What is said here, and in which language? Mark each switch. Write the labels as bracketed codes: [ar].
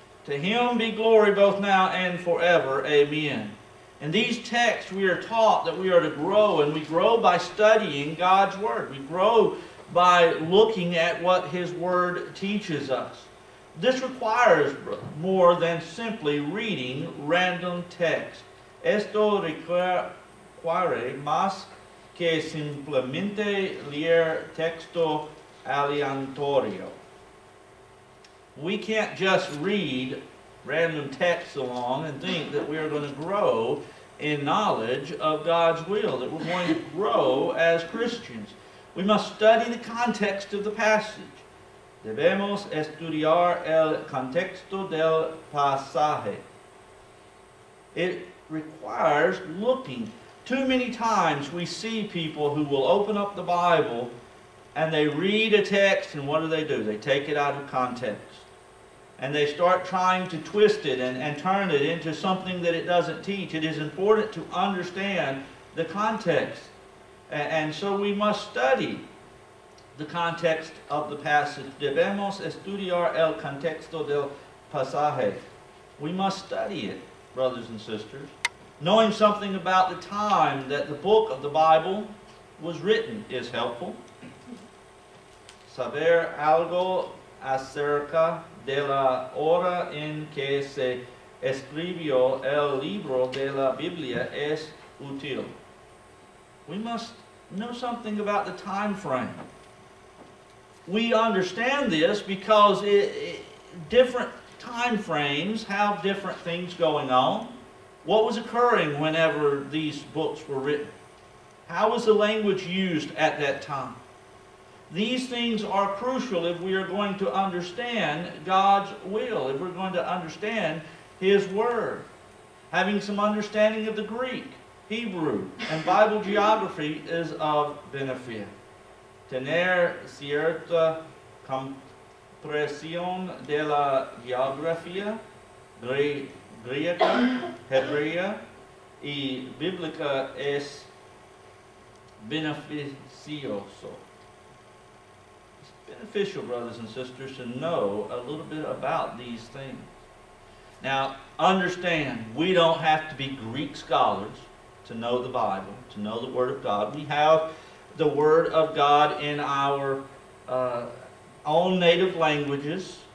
[en] To him be glory both now and forever. Amen. In these texts, we are taught that we are to grow, and we grow by studying God's Word. We grow by looking at what His Word teaches us. This requires more than simply reading random texts. [es] Esto requiere más que simplemente leer texto aleatorio. [en] We can't just read random texts along and think that we are going to grow in knowledge of God's will, that we're going to grow as Christians. We must study the context of the passage. [es] Debemos estudiar el contexto del pasaje. [en] It requires looking. Too many times we see people who will open up the Bible and they read a text, and what do? They take it out of context. And they start trying to twist it and turn it into something that it doesn't teach. It is important to understand the context. And so we must study the context of the passage. [es] Debemos estudiar el contexto del pasaje. [en] We must study it, brothers and sisters, knowing something about the time that the book of the Bible was written is helpful. [es] Saber algo acerca de la hora en que se escribió el libro de la Biblia es útil. [en] We must know something about the time frame. We understand this because different time frames have different things going on. What was occurring whenever these books were written? How was the language used at that time? These things are crucial if we are going to understand God's will, if we're going to understand His Word. Having some understanding of the Greek, Hebrew, and Bible geography is of benefit. [es] Tener cierta comprensión de la geografía griega, hebrea y bíblica es beneficioso. [en] Beneficial, brothers and sisters, to know a little bit about these things. Now, understand, we don't have to be Greek scholars to know the Bible, to know the Word of God. We have the Word of God in our own native languages.